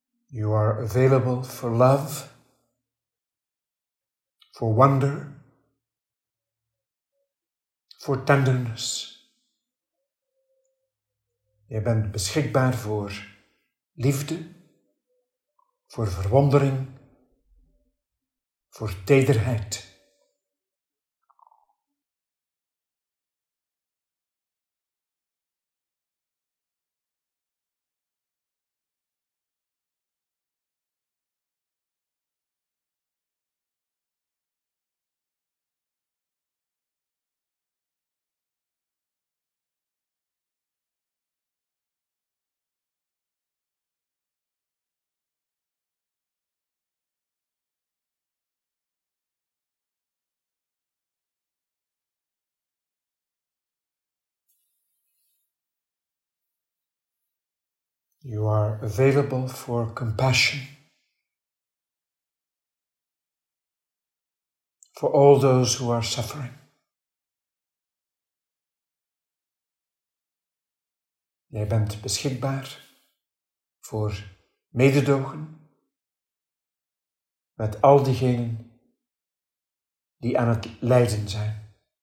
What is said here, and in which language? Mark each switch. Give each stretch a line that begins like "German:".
English: You are available for love, for wonder, for tenderness.
Dutch: Je bent beschikbaar voor liefde, voor verwondering, voor tederheid.
English: You are available for compassion, for all those who are suffering.
Dutch: Jij bent beschikbaar voor mededogen met al diegenen die aan het lijden zijn.